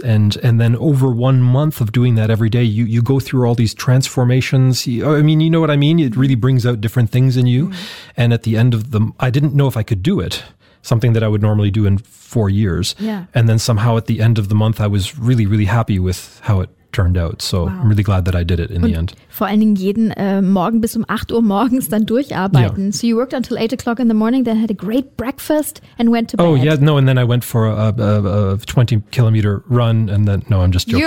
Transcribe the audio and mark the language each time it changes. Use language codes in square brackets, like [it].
[en] And then over 1 month of doing that every day, you go through all these transformations. I mean, you know what I mean? It really brings out different things in you. Mm-hmm. And at the end of the, I didn't know if I could do it, something that I would normally do in 4 years. Yeah. And then somehow at the end of the month, I was really, really happy with how it turned out. So wow. I'm really glad that I did it in the end. [de] Vor allen Dingen jeden Morgen bis um 8 Uhr morgens dann durcharbeiten. [en] Yeah. So you worked until 8 o'clock in the morning, then had a great breakfast and went to bed. Oh yeah, no, and then I went for a 20 kilometer run, and then, no, I'm just joking.